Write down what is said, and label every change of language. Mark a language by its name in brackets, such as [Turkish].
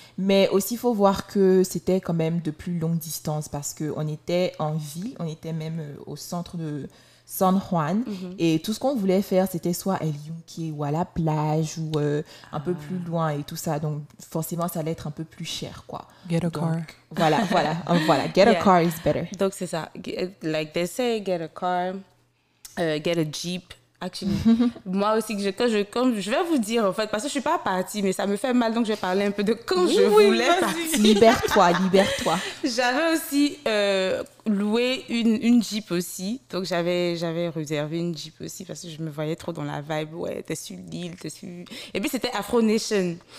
[French] Mais aussi, il faut voir que c'était quand même de plus longue distance parce qu'on était en ville, on était même au centre de San Juan. Mm-hmm. Et tout ce qu'on voulait faire, c'était soit El Yunque ou à la plage ou un peu plus loin et tout ça. Donc, forcément, ça allait être un peu plus cher, quoi. [English] Get a car. Voilà. Get a car is better. [French] Donc, c'est ça. [English] Like they say, get a car, get a Jeep. [French] Actually, moi aussi, je vais vous dire, en fait, parce que je ne suis pas partie, mais ça me fait mal, donc je vais parler un peu de quand je voulais partir. Libère-toi. J'avais aussi loué une Jeep aussi, donc j'avais réservé une Jeep aussi, parce que je me voyais trop dans la vibe, ouais, t'es sur l'île, Et puis, c'était Afro Nation.